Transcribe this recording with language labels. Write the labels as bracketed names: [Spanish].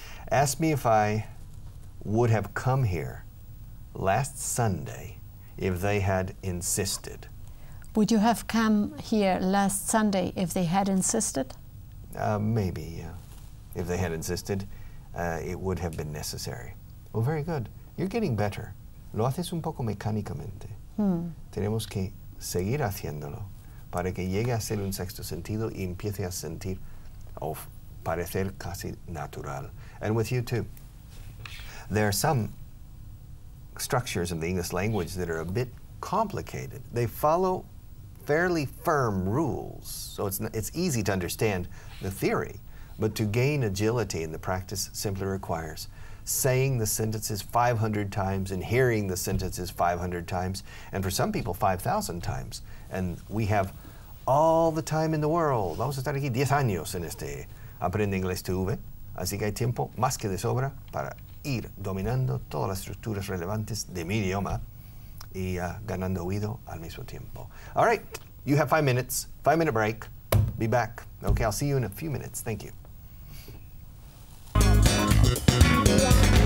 [English] Ask me if I would have come here last Sunday if they had insisted. Would you have come here last Sunday if they had insisted? Maybe, yeah. If they had insisted, it would have been necessary. Well, very good. You're getting better. [Spanish] Lo haces un poco mecánicamente. Tenemos que seguir haciéndolo para que llegue a ser un sexto sentido y empiece a sentir o parecer casi natural. [English] And with you too. There are some structures in the English language that are a bit complicated. They follow fairly firm rules, so it's easy to understand the theory. But to gain agility in the practice simply requires saying the sentences 500 times and hearing the sentences 500 times, and for some people 5,000 times. And we have all the time in the world. [Spanish] Vamos a estar aquí 10 años en este Aprende Inglés TV. Así que hay tiempo más que de sobra para ir dominando todas las estructuras relevantes de mi idioma y ganando oído al mismo tiempo. [English] All right, you have 5 minutes. 5 minute break. Be back. Okay, I'll see you in a few minutes. Thank you.